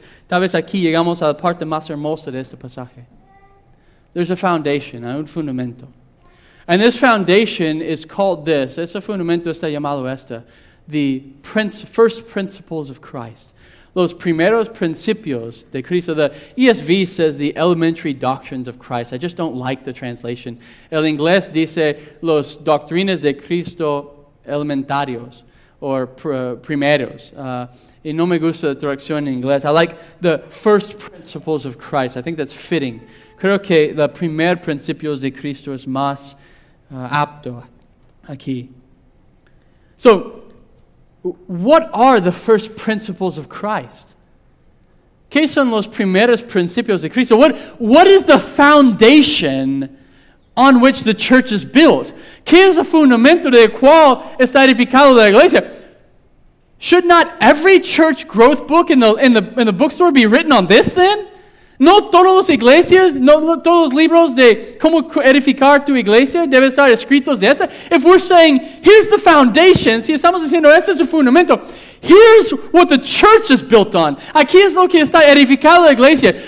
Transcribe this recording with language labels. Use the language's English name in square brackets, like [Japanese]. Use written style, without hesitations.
[Spanish] Tal vez aquí llegamos a la parte más hermosa de este pasaje. [English] There's a foundation, [Spanish] hay un fundamento. [English] And this foundation is called this. [Spanish] Ese fundamento está llamado esta. [English] The first principles of Christ. [Spanish] Los primeros principios de Cristo. [English] The ESV says the elementary doctrines of Christ. I just don't like the translation. [Spanish] El inglés dice los doctrinas de Cristo elementarios. Or primeros. Y no me gusta la traducción en inglés. [English] I like the first principles of Christ. I think that's fitting. [Spanish] Creo que la primer principios de Cristo es más apto aquí. [English] So, what are the first principles of Christ? [Spanish] ¿Qué son los primeros principios de Cristo? [English] What is the foundation on which the church is built? [Spanish] ¿Qué es el fundamento del cual está edificado la iglesia? [English] Should not every church growth book in the bookstore be written on this then? [Spanish] ¿No todos los iglesias, no todos los libros de cómo edificar tu iglesia deben estar escritos de esta? [English] If we're saying, here's the foundation, [Spanish] si estamos diciendo, este es el fundamento, [English] here's what the church is built on. [Spanish] Aquí es lo que está edificada la iglesia.